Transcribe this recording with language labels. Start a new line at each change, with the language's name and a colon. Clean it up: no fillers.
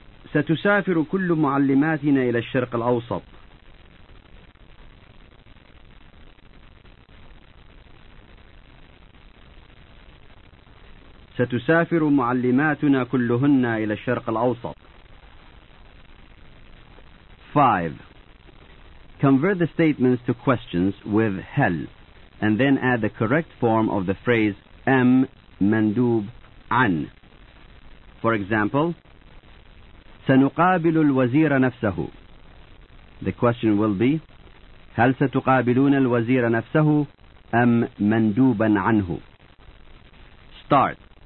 Arabic: ستسافر كل معلماتنا إلى الشرق الأوسط. ستسافر معلماتنا كلهن إلى الشرق الأوسط.
English: 5. Convert the statements to questions with هل and then add the correct form of the phrase
Arabic: أم مندوب عن.
English: For example,
Arabic: سنقابل الوزير نفسه.
English: The question will be,
Arabic: هل ستقابلون الوزير نفسه أم مندوبا عنه؟
English: Start.